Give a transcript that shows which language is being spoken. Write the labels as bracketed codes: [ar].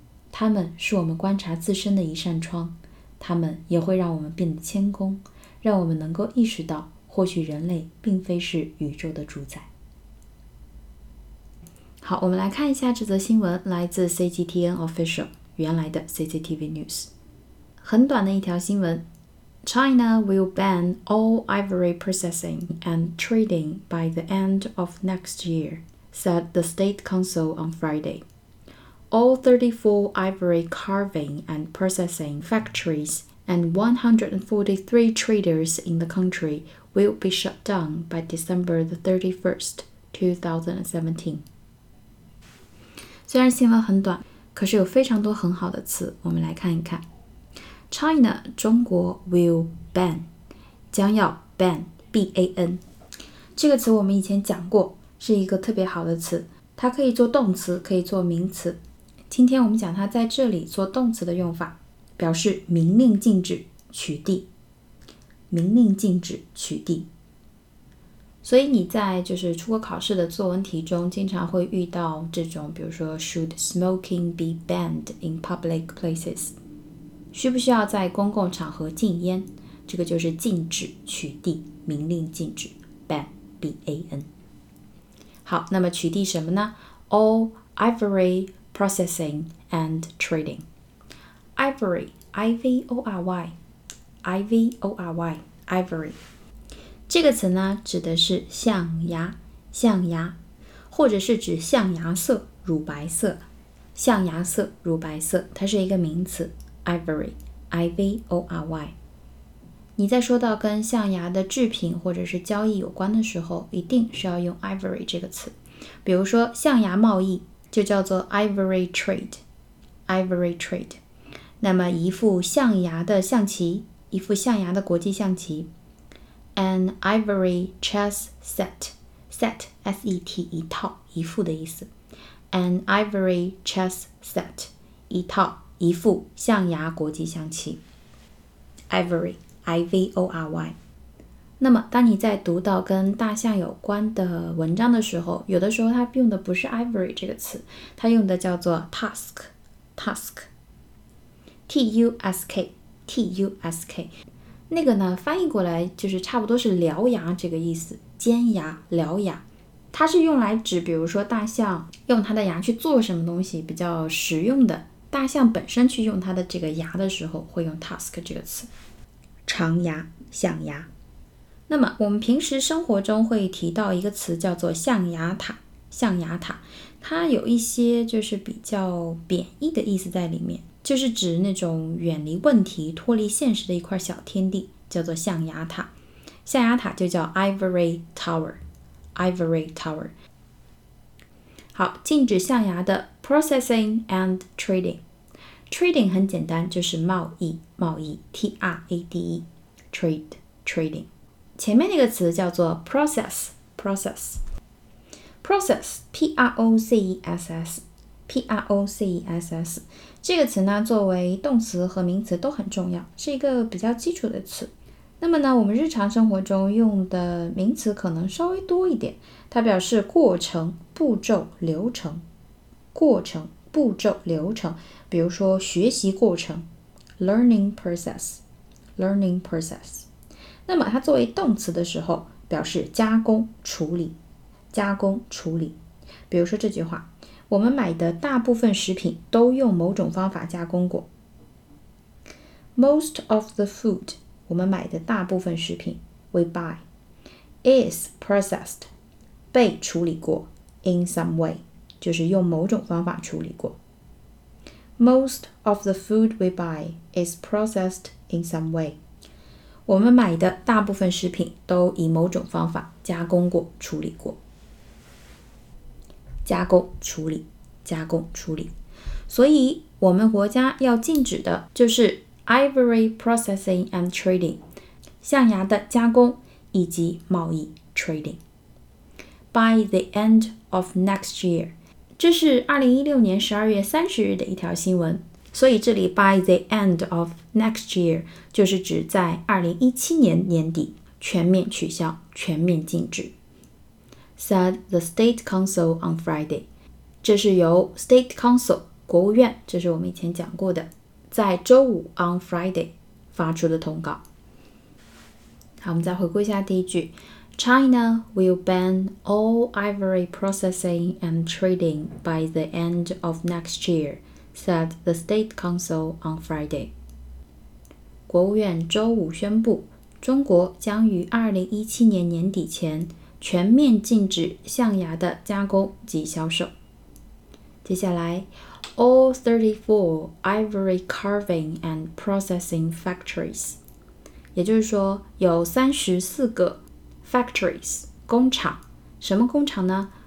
[zh] 它们是我们观察自身的一扇窗，它们也会让我们变得谦恭，让我们能够意识到，或许人类并非是宇宙的主宰。好，我们来看一下这则新闻，来自 CGTN Official， 原来的 CCTV News。很短的一条新闻， [en] China will ban all ivory processing and trading by the end of next year, said the State Council on Friday. All 34 ivory carving and processing factories and 143 traders in the country will be shut down by December the 31st, 2017. [zh] 虽然新闻很短，可是有非常多很好的词，我们来看一看。 China 中国 will ban 将要 ban B-A-N 这个词我们以前讲过，是一个特别好的词，它可以做动词，可以做名词。今天我们讲它在这里做动词的用法，表示明令禁止取缔，明令禁止取缔。所以你在就是出国考试的作文题中经常会遇到这种，比如说 [en] Should smoking be banned in public places? [zh] 需不需要在公共场合禁烟？这个就是禁止、取缔、明令禁止 ban, B-A-N。好，那么取缔什么呢？ [en] All ivory processing and trading. Ivory, I-V-O-R-Y, I-V-O-R-Y, ivory. [zh] 这个词呢，指的是象牙，象牙，或者是指象牙色，乳白色，象牙色，乳白色，它是一个名词 ，ivory, I V O R Y。你在说到跟象牙的制品或者是交易有关的时候，一定是要用 ivory 这个词。比如说象牙贸易就叫做 ivory trade, ivory trade。那么一副象牙的象棋，一副象牙的国际象棋。 [en] An ivory chess set, set, S-E-T, [zh] 一套一副的意思。 [en] An ivory chess set, [zh] 一套一副象牙国际象棋。 [en] Ivory, I-V-O-R-Y。 [zh] 那么当你在读到跟大象有关的文章的时候，有的时候它用的不是 ivory 这个词，它用的叫做 tusk, tusk, T-U-S-K, T-U-S-K。那个呢翻译过来就是差不多是獠牙这个意思，尖牙，獠牙。它是用来指比如说大象用它的牙去做什么东西比较实用的，大象本身去用它的这个牙的时候会用 tusk 这个词，长牙，象牙。那么我们平时生活中会提到一个词叫做象牙塔，象牙塔，它有一些就是比较贬义的意思在里面，就是指那种远离问题脱离现实的一块小天地，叫做象牙塔。象牙塔就叫 Ivory Tower, Ivory Tower。好，禁止象牙的 Processing and Trading。 Trading 很简单，就是贸易，贸易 T-R-A-D-E Trade, Trading。前面那个词叫做 Process, Process, Process, P-R-O-C-E-S-S, P-R-O-C-E-S-S。这个词呢作为动词和名词都很重要，是一个比较基础的词。那么呢我们日常生活中用的名词可能稍微多一点，它表示过程、步骤、流程，过程、步骤、流程。比如说学习过程 learning process, learning process。那么它作为动词的时候表示加工、处理，加工、处理。比如说这句话，我们买的大部分食品都用某种方法加工过。 [en] Most of the food, [zh] 我们买的大部分食品 [en] we buy, is processed, [zh] 被处理过 [en] in some way， [zh] 就是用某种方法处理过。 [en] Most of the food we buy is processed in some way。 [zh] 我们买的大部分食品都以某种方法加工过、处理过。加工、处理、加工、处理。所以，我们国家要禁止的就是 [en] ivory processing and trading， [zh] 象牙的加工以及贸易 trading。 [en] By the end of next year。 [zh] 这是2016年12月30日的一条新闻，所以这里 [en] by the end of next year [zh] 就是指在2017年年底全面取消、全面禁止。 [en] Said the State Council on Friday， [zh] 这是由 State Council 国务院，这是我们以前讲过的，在周五 on Friday 发出的通告。好，我们再回顾一下第一句。 [en] China will ban all ivory processing and trading by the end of next year, said the State Council on Friday. [zh] 国务院周五宣布，中国将于2017年年底前全面禁止象牙的加工及销售。接下来 , [en] all 34 ivory carving and processing factories, [zh] 也就是说有34个Factories, 工厂，什么工厂呢？